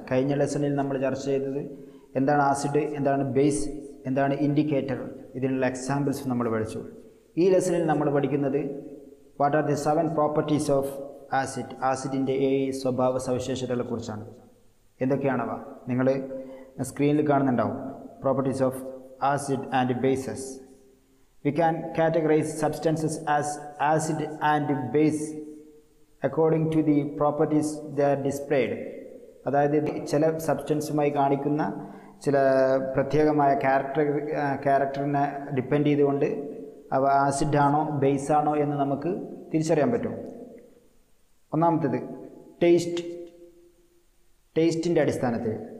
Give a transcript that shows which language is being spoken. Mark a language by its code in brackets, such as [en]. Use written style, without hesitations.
[ml] കഴിഞ്ഞ ലെസണിൽ നമ്മൾ ചർച്ച ചെയ്തത് എന്താണ് ആസിഡ്, എന്താണ് ബേസ്, എന്താണ് ഇൻഡിക്കേറ്റർ, ഇതിനുള്ള എക്സാമ്പിൾസ് നമ്മൾ പഠിച്ചു. ഈ ലെസണിൽ നമ്മൾ പഠിക്കുന്നത് [en] what are the seven properties of acid, [ml] ആസിഡിൻ്റെ ഏ സ്വഭാവ സവിശേഷതകളെ കുറിച്ചാണ്. എന്തൊക്കെയാണവ നിങ്ങൾ സ്ക്രീനിൽ കാണുന്നുണ്ടാവും. [en] Properties of acid and bases. We can categorize substances as acid and base according to the properties they are displayed. [ml] അതായത് ചില സബ്സ്റ്റൻസുമായി കാണിക്കുന്ന ചില പ്രത്യേകമായ ക്യാരക്ടറിനെ ഡിപ്പെൻഡ് ചെയ്തുകൊണ്ട് അവ ആസിഡ് ആണോ ബേസ് ആണോ എന്ന് നമുക്ക് തിരിച്ചറിയാൻ പറ്റും. ഒന്നാമത്തേത് ടേസ്റ്റ്, ടേസ്റ്റിൻ്റെ അടിസ്ഥാനത്തിൽ.